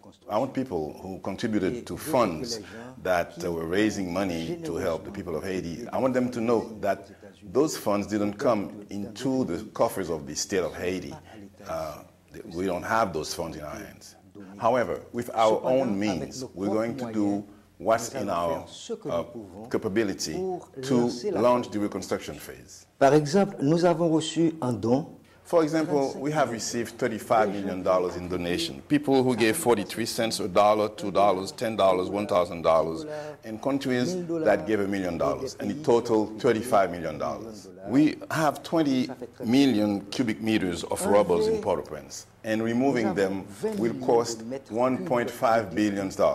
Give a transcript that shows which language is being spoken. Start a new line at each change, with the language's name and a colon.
English: I want people who contributed to funds that were raising money to help the people of Haiti, I want them to know that those funds didn't come into the coffers of the state of Haiti. We don't have those funds in our hands. However, with our own means, we're going to do what's in our capability to launch the reconstruction phase.
French: Par exemple, nous avons reçu un don.
English: For example, we have received $35 million in donation. People who gave 43 cents, a dollar, $2, $10, $1,000, and countries that gave $1 million, and it totaled $35 million. We have 20 million cubic meters of rubbles in Port-au-Prince, and removing them will cost $1.5 billion.